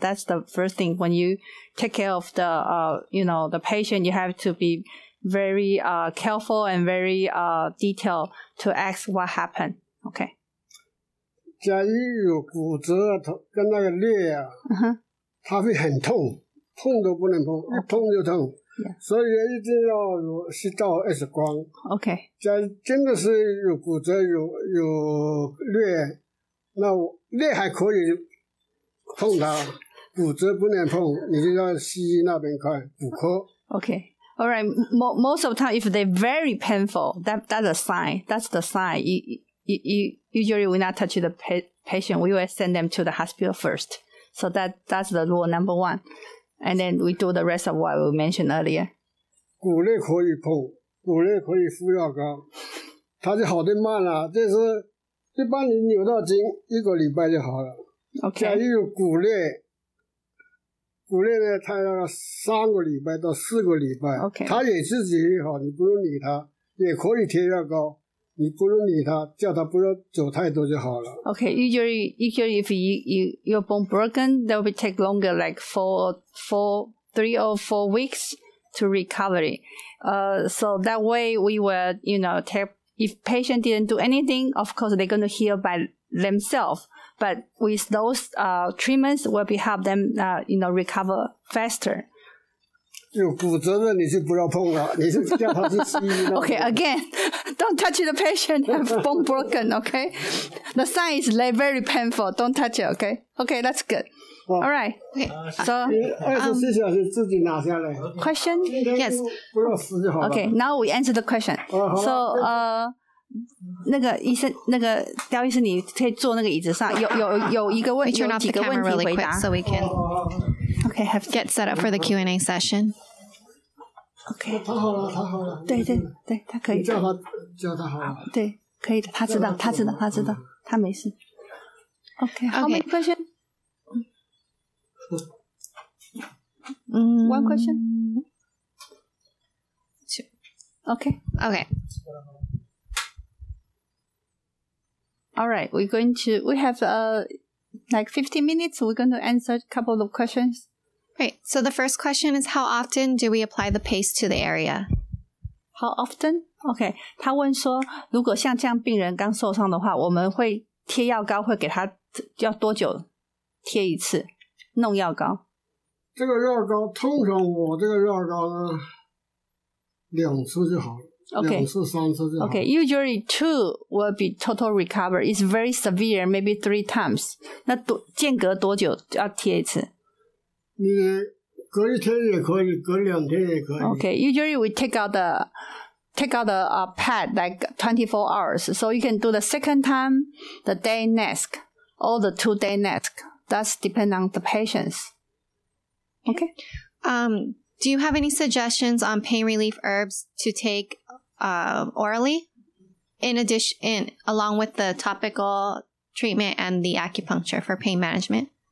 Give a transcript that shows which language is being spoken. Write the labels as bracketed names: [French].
[English] That's the first thing when you take care of the, you know, the patient, you have to be very, careful and very, detailed to ask what happened. Okay. [Chinese] 假如有骨折跟那个裂啊，它会很痛，痛都不能碰，一碰就痛。 [English] Yeah. [Chinese] 所以一定要有去照 X 光。 [English] Okay. [Chinese] 假如真的是有骨折有裂，那裂还可以碰它，骨折不能碰，你就到西医那边看骨科。 [English] Okay. All right. Most of the time, if they're very painful, that's a sign. That's the sign. You usually we not touch the patient. We will send them to the hospital first. So that's the rule number one. And then we do the rest of what we mentioned earlier. [Chinese] 骨裂可以碰，骨裂可以敷药膏，它就好得慢了。这是一般你扭到筋一个礼拜就好了。 [English] Okay. [Chinese] 假如有骨裂呢，它要三个礼拜到四个礼拜。 [English] Okay. [Chinese] 它也自己也好，你不用理它，也可以贴药膏。你不用理他，叫他不要走太多就好了。 [English] Okay, usually if your bone broken, that will take longer, like three or four weeks to recovery. So that way we will, you know, take, if patient didn't do anything, of course they're going to heal by themselves. But with those treatments, will be help them, you know, recover faster. [Chinese] 有骨折的你就不要碰了，你就叫他去西医了。 [English] Okay, again, don't touch the patient. Have bone broken. Okay, the sign is very painful. Don't touch it. Okay, okay, that's good. All right. Okay, so [Chinese] 24小时自己拿下来。 [English] Question? Yes. [Chinese] 不要撕就好了。 [English] Okay, now we answer the question. [Chinese] So, 那个医生，那个刁医生，你可以坐那个椅子上。有一个问，有几个问题回答。 [English] Turn off the camera really quick so we can. Okay, have get set up for the Q&A session. Okay. [Chinese] 他好了，他好了。对对对，他可以。你叫他好了。对，可以的，他知道，他没事。 [English] Okay. How many question? One question. Two. Okay. Okay. All right. We're going to. We have like 15 minutes. We're going to answer a couple of questions. Right, so the first question is, how often do we apply the paste to the area? How often? [Chinese] Okay, 他问说，如果像这样病人刚受伤的话，我们会贴药膏，会给他要多久贴一次弄药膏？这个药膏通常我这个药膏呢两次就好了。 [English] Okay. [Chinese] 两次三次就好了。 [English] Okay. Usually two will be total recover. It's very severe, maybe three times. [Chinese] 那多间隔多久要贴一次？你隔一天也可以，隔两天也可以。 [English] Okay. Usually we take out the pad like 24 hours. So you can do the second time, the day next, or the 2 day next. That's depend on the patients. Okay. Do you have any suggestions on pain relief herbs to take orally, along with the topical treatment and the acupuncture for pain management?